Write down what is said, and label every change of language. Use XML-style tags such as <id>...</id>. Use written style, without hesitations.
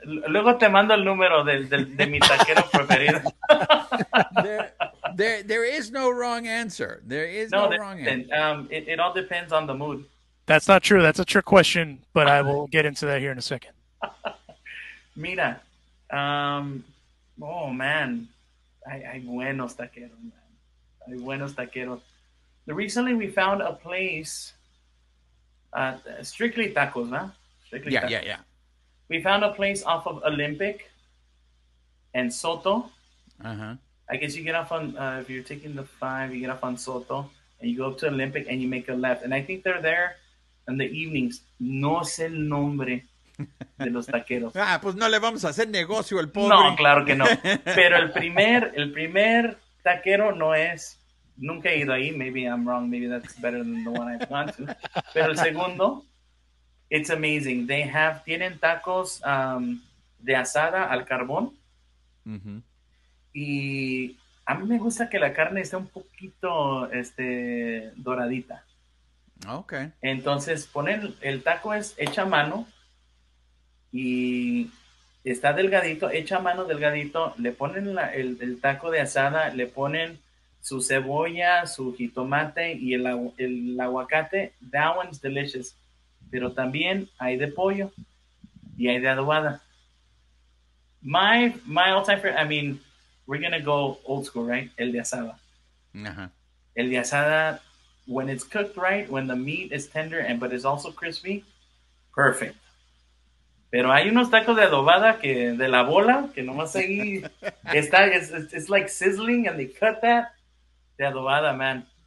<es>Luego te mando el número de mi taquero preferido.</es> <en>There is no wrong answer. There is no wrong answer. It all depends on the mood. That's not true. That's a trick question, but I will get into that here in a second. Mira. Oh, man.</en> <es>Hay buenos taqueros, man. Hay buenos taqueros.</es> <en>Recently, we found a place... strictly tacos, huh? Strictly tacos. Yeah. We found a place off of Olympic and Soto. Uh-huh. I guess you get off on, if you're taking the 5, you get off on Soto, and you go up to Olympic, and you make a left. And I think they're there in the evenings.</en> <es>No sé el nombre de los taqueros. Ah, pues no le vamos a hacer negocio al pobre. No, claro que no. Pero el primer taquero no es... Nunca he ido ahí.</es> <en>Maybe I'm wrong. Maybe that's better than the one I've gone to.</en> <es>Pero el segundo,</es> <en>it's amazing. They have,</en> <es>tienen tacos de asada al carbón. Mm-hmm. Y a mí me gusta que la carne esté un poquito doradita.</es> <en>Okay.</en> <es>Entonces, ponen, el taco es hecha a mano y está delgadito, hecha a mano delgadito. Le ponen el taco de asada, le ponen su cebolla, su jitomate y el aguacate.</es> <en>That one's delicious.</en> <es>Pero también hay de pollo y hay de adobada.</es> <en>My all-time favorite, I mean, we're gonna go old school, right?</en> <es>El de asada. El de asada,</es> <en>when it's cooked right, when the meat is tender and but it's also crispy, perfect.</en> <es>Pero hay unos tacos de adobada que de la bola, que nomás ahí está,</es> <en>it's like sizzling and they cut that.</en> <es>De adobada, man.</es>